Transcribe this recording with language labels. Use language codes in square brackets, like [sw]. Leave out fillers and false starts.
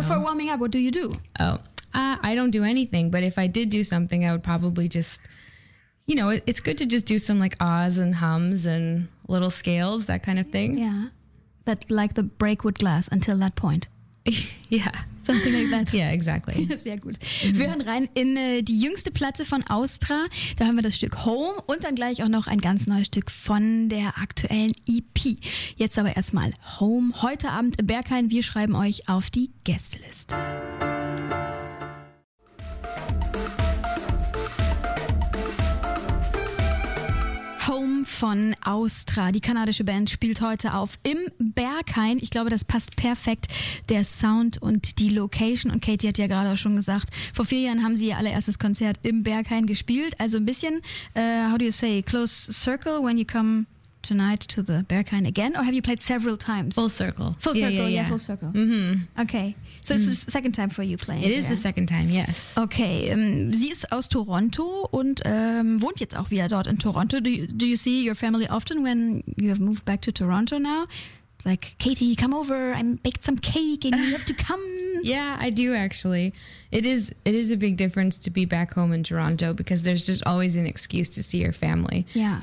[en] No, for warming up, what do you do? Oh, I don't do anything. But if I did do something, I would probably just, you know, it's good to just do some like ahs and hums and little scales, that kind of thing. Yeah. That like the Breakwood Glass until that point. Yeah. Something like that. Yeah, exactly. [de] Sehr gut. Mhm. Wir hören rein in die jüngste Platte von Austra. Da haben wir das Stück Home und dann gleich auch noch ein ganz neues Stück von der aktuellen EP. Jetzt aber erstmal Home. Heute Abend im Berghain. Wir schreiben euch auf die Guestlist. Home von Austra. Die kanadische Band spielt heute auf im Berghain. Ich glaube, das passt perfekt, der Sound und die Location. Und Katie hat ja gerade auch schon gesagt, vor 4 Jahren haben sie ihr allererstes Konzert im Berghain gespielt. Also ein bisschen, [en] how do you say, close circle when you come tonight to the Berghain again? Or have you played several times? Full circle. Full circle, yeah. Full circle. Mm-hmm. Okay, so it's the second time for you playing. It is the second time, yes. [de] Okay, sie ist aus Toronto und wohnt jetzt auch wieder dort in Toronto. [en] Do you see your family often when you have moved back to Toronto now? It's like, Katie, come over, I baked some cake and you have to come. Yeah, I do actually. It is a big difference to be back home in Toronto because there's just always an excuse to see your family. Yeah.